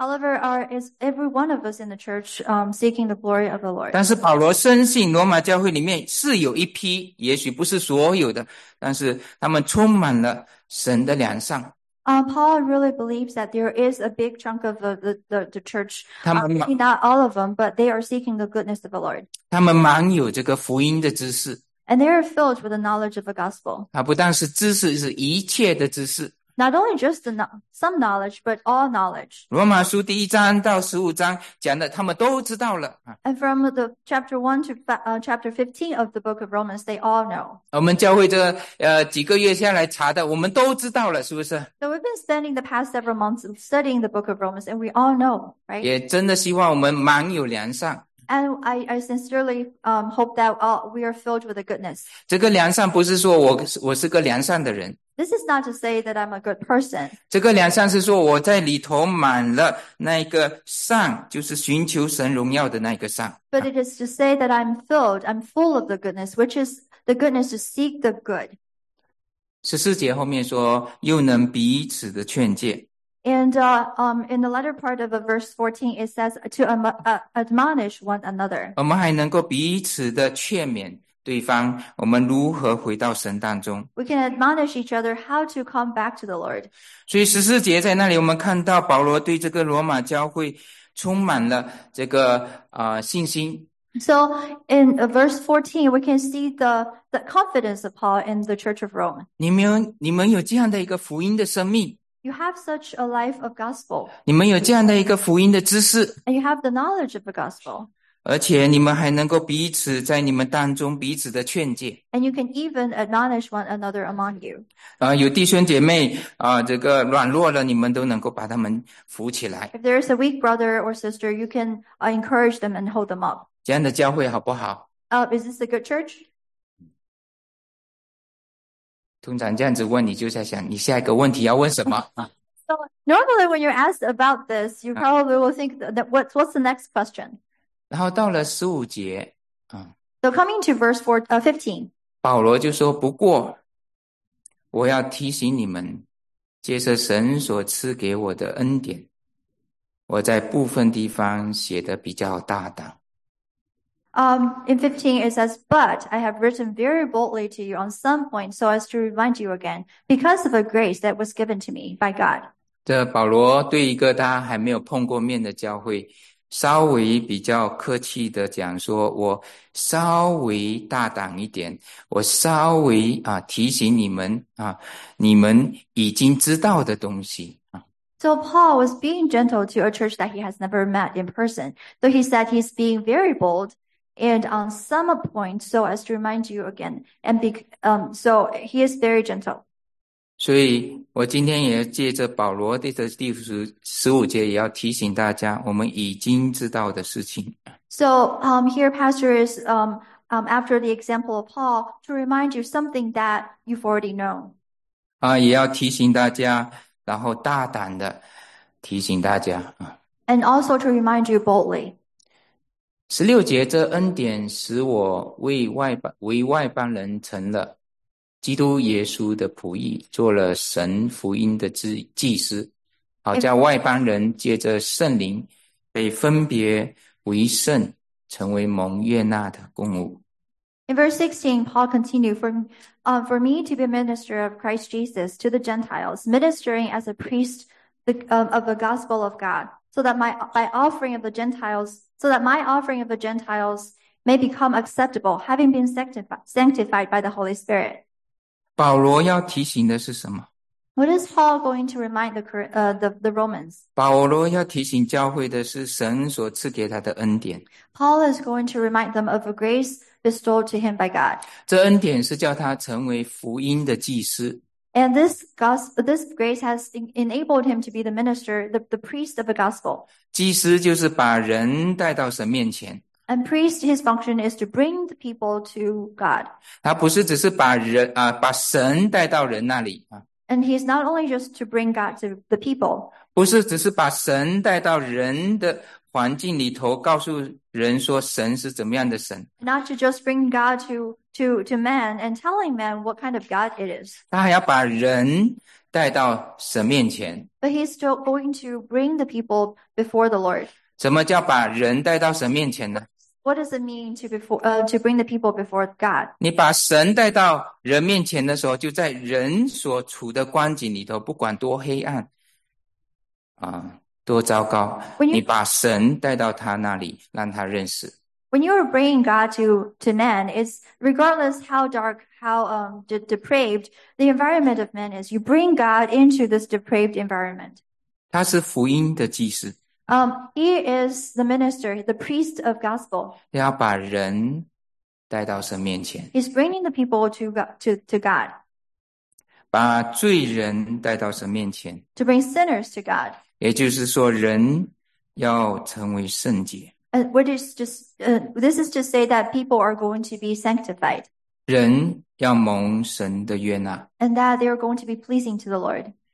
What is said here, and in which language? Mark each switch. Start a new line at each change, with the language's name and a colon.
English: ？However, is every one of us in the church seeking the glory of the Lord?
Chinese: 但是保罗深信罗马教会里面是有一批，也许不是所有的，但是他们充满了。神的良善。
English: Paul really believes that there is a big chunk of the church. Not all of them, but they are seeking the goodness of the Lord.
Chinese: 他们满有这个福音的知识。
English: And they are filled with the knowledge of the gospel.
Chinese: 不但是知识，是一切的知识。
English: Not only just the some knowledge, but all knowledge.
Chinese: 罗马书第一章到十五章讲的，他们都知道了。
English: And from the chapter 1 to chapter 15 of the book of Romans, they all know.
Chinese: 我们教会这几个月下来查的，我们都知道了，是不是？
English: So we've been spending the past several months studying the book of Romans, and we all know, right?
Chinese: 也真的希望我们满有良善。
English: And I sincerely hope that we are filled with the goodness.
Chinese: 这个良善不是说我是个良善的人。
English: This is not to say that I'm a good person.
Chinese: 这个良善是说我在里头满了那个善，就是寻求神荣耀的那个善。
English: But it is to say that I'm full of the goodness, which is the goodness to seek the good.
Chinese: 14节后面说，又能彼此的劝诫。
English: And in the latter part of verse 14, it says to admonish one another.
Chinese: 我们还能够彼此的劝勉。对方，我们如何回到神当中
English: ？We can admonish each other how to come back to the Lord.
Chinese: 所以十四节在那里，我们看到保罗对这个罗马教会充满了这个信心。
English: So in verse 14, we can see the confidence of Paul in the Church of Rome.
Chinese: 你们有这样的一个福音的生命。
English: You have such a life of gospel.
Chinese: 你们有这样的一个福音的知识。
English: And you have the knowledge of the gospel.
Chinese: 而且你们还能够彼此在你们当中彼此的劝诫。
English: And you can even admonish one another among you.
Chinese: 有弟兄姐妹这个软弱了，你们都能够把他们扶起来。
English: If there is a weak brother or sister, you can encourage them and hold them up.
Chinese: 这样的教会好不好？
English: Is this a good church?
Chinese: 通常这样子问你就在想你下一个问题要问什么。
English: So normally when you're asked about this, you probably will think that what's the next question?
Chinese: 然后到了十五节
English: So coming to verse 15,
Chinese: 保罗就说不过我要提醒你们借着神所赐给我的恩典我在部分地方写得比较大胆。
English: In 15 it says, But I have written very boldly to you on some point so as to remind you again, because of a grace that was given to me by God.
Chinese: 这保罗对一个他还没有碰过面的教会稍微比较客气的讲说我稍微大胆一点我稍微提醒你们你们已经知道的东西。
English: So Paul was being gentle to a church that he has never met in person, though he said he's being very bold and on some point so as to remind you again, and so he is very gentle.
Chinese: 所以我今天也借着保罗的第15节也要提醒大家我们已经知道的事情。
English: So, here pastor is, after the example of Paul, to remind you something that you've already known.
Chinese: 也要提醒大家然后大胆的提醒大家。
English: And also to remind you boldly.
Chinese: 16节这恩典使我为外邦人成了。基督耶稣的仆役做了神福音的祭司好叫外邦人借着圣灵被分别为圣成为蒙悦纳的供物。
English: In verse 16, Paul continued, for me to be a minister of Christ Jesus to the Gentiles, ministering as a priest of the gospel of God, so that my offering of the Gentiles may become acceptable, having been sanctified by the Holy Spirit.
Chinese: 保罗要提醒的是什么
English: ？What is Paul going to remind the Romans？
Chinese: 保罗要提醒教会的是神所赐给他的恩典。
English: Paul is going to remind them of a grace bestowed to him by God。
Chinese: 这恩典是叫他成为福音的祭司。
English: And this grace has enabled him to be the minister, the priest of the gospel。
Chinese: 祭司就是把人带到神面前。
English: And priest, his function is to bring the people to God.
Chinese: 他不是只是把人把神带到人那里。
English: And he's not only just to bring God to the people.
Chinese: 不是只是把神带到人的环境里头告诉人说神是怎么样的神。
English: Not to just bring God to man and telling man what kind of God it is.
Chinese: 他还要把人带到神面前。
English: But he's still going to bring the people before the Lord.
Chinese: 什么叫把人带到神面前呢
English: ？What does it mean to bring the people before God？
Chinese: 你把神带到人面前的时候，就在人所处的光景里头，不管多黑暗，多糟糕，你把神带到他那里，让他认识。
English: When you are bringing God to man, it's regardless how dark, how depraved the environment of man is, you bring God into this depraved environment.
Chinese: 他是福音的祭司。
English: He is the minister, the priest of gospel.
Chinese: 要把人带到神面前。
English: He's bringing the people to God.
Chinese: 把罪人带到神面前。
English: To bring sinners to God.
Chinese: 也就是说人要成为圣洁。
English: This is to say that people are going to be sanctified.
Chinese: 人要蒙神的悦纳。
English: And that they are going to be pleasing to the Lord.